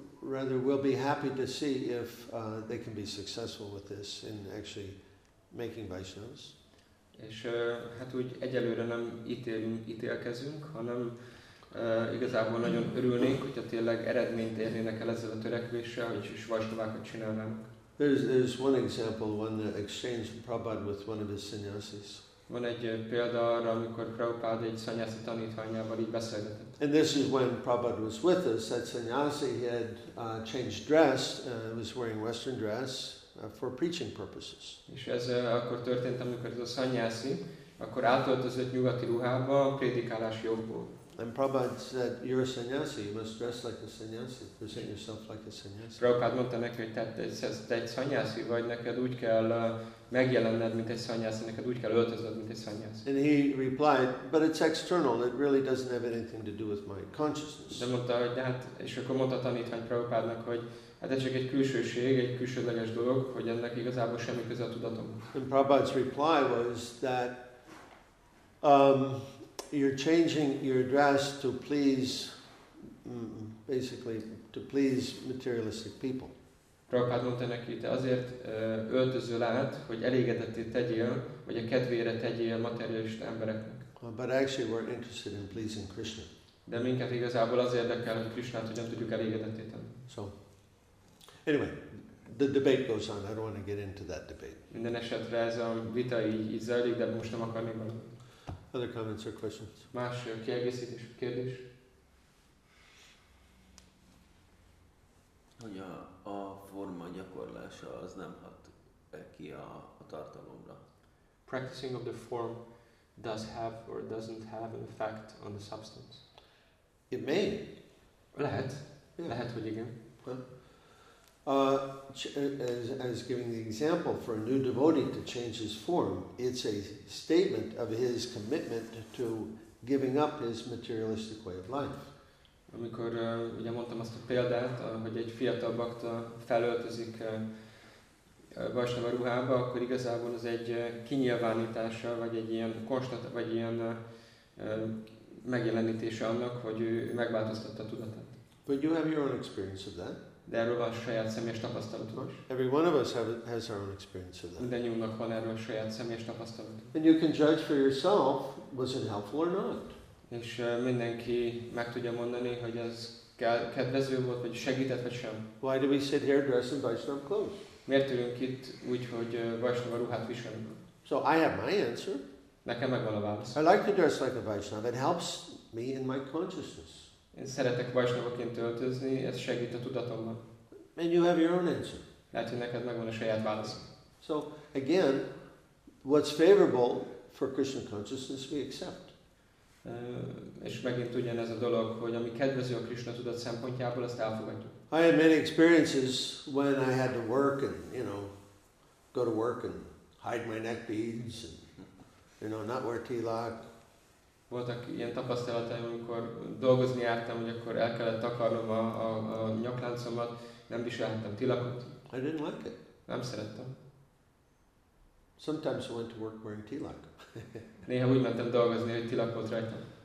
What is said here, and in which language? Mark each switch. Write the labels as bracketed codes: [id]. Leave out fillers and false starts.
[en] Rather, we'll be happy to see if they can be successful with this in actually making Vaishnavas. [hu] És hát úgy egyelőre nem ítélkezünk, hanem Igazából nagyon örülnék, hogyha tényleg eredményt érnének el ezzel a törekvéssel, hogy is vasdomákat csinálnának. [en] There's one example when the exchange Prabhupada with one of his sannyasis. [hu] Van egy példa arra, amikor Prabhupada egy sannyasi tanítványával így beszélgetett. [en] And this is when Prabhupada was with us. That sannyasi had changed dress, was wearing Western dress for preaching purposes. [hu] És ez akkor történt, amikor ez a sannyasi akkor átöltözött nyugati ruhába a prédikálási okból. [en] And Prabhupada said, "You're a sannyasi. You must dress like a sannyasi. Present yourself like a sannyasi." [hu] Prabhupada mondta neki, hogy te egy sannyasi vagy, neked úgy kell megjelenned, mint egy sannyasi, neked úgy kell öltözned, mint egy sannyasi. [en] And he replied, "But it's external. It really doesn't have anything to do with my consciousness." [hu] De mondta, hogy hát, és akkor mondta tanítvány Prabhupádnak, hogy hát ez csak egy külsőség, egy külsődleges dolog, hogy ennek igazából semmi köze a tudatomhoz. [en] And Prabhupada's reply was that. You're changing your dress to please, basically, to please materialistic people. [hu] Prabhupád mondta neki, te azért öltözöl át, hogy elégedetté tegyél, vagy a kedvére tegyél materialista embereknek. [en] But actually, we're interested in pleasing Krishna. [hu] De minket igazából az érdekel, hogy Krishnát hogyan tudjuk elégedetté tenni. [en] So, anyway, the debate goes on. I don't want to get into that debate. [hu] Minden esetre ez a vita így zajlik, de most nem akarnék benne. [en] Other comments or questions? [hu] Más kiegészítés, kérdés? Hogy a forma gyakorlása az nem hat ki a tartalomra. [en] Practicing of the form does have or doesn't have an effect on the substance. It may. [hu] Lehet. Yeah. Lehet, hogy igen. [en] As giving the example for a new devotee to change his form, it's a statement of his commitment to giving up his materialistic way of life. [hu] Amikor ugye mondtam azt a példát, hogy egy fiatal bakta felöltözik vasnava ruhába, akkor igazából az egy kinyilvánítása, vagy egy ilyen megjelenítése annak, hogy ő megváltoztatta a tudatát. [en] But you have your own experience of that. [hu] De erről van saját személyes tapasztalatom. [en] Every one of us has our own experience of that. [hu] Mindannyiunknak van erről saját személyes tapasztalat. [en] And you can judge for yourself, was it helpful or not? [hu] És mindenki meg tudja mondani, hogy ez kedvező volt, vagy segített, vagy sem. [en] Why do we sit here dressed in Vaishnava clothes? [hu] Miért ülünk itt úgy, hogy Vaishnava ruhát viselünk? [en] So I have my answer. [hu] Nekem megvan a válasz. [en] I like to dress like a Vaishnava. It helps me in my consciousness. [hu] Én szeretek vajsnavaként öltözni, ez segít a tudatomban. [en] And you have your own answer. [hu] Lehet, hogy neked megvan a saját válaszom. [en] So, again, what's favorable for Krishna consciousness, we accept. [hu] És megint ugyanez a dolog, hogy ami kedvező a Krishna tudat szempontjából, azt elfogadjuk. [en] I had many experiences when I had to work and, you know, go to work and hide my neck beads and, you know, not wear tilak. [hu] Voltak ilyen tapasztalataim, amikor dolgozni jártam, hogy akkor el kellett takarnom a nyakláncomat, nem viselhettem tilakot. [en] I didn't like it. [hu] Nem szerettem. [en] Sometimes I went to work wearing tilak. [hu] Néha úgy mentem dolgozni, hogy tilakot rajtam.